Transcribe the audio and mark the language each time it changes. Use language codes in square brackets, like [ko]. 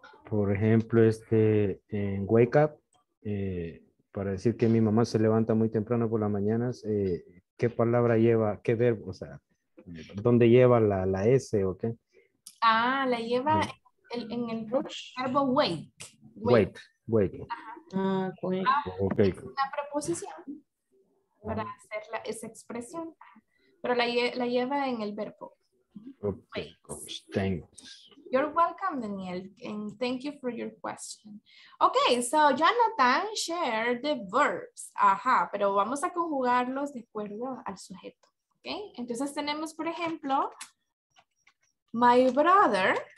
[es] Por ejemplo, en wake up, para decir que mi mamá se levanta muy temprano por las mañanas, ¿qué palabra lleva, qué verbo, o sea, dónde lleva la S o qué? Ah, la lleva en el verbo wake. [en] Wait. Okay. [es] Es una preposición para hacer la, esa expresión, pero la, la lleva en el verbo. [en] Okay. Wait. Thanks. You're welcome, Daniel, and thank you for your question. Okay, so Jonathan shared the verbs. [es] Ajá, pero vamos a conjugarlos de acuerdo al sujeto. Okay, entonces tenemos, por ejemplo, [en] my brother.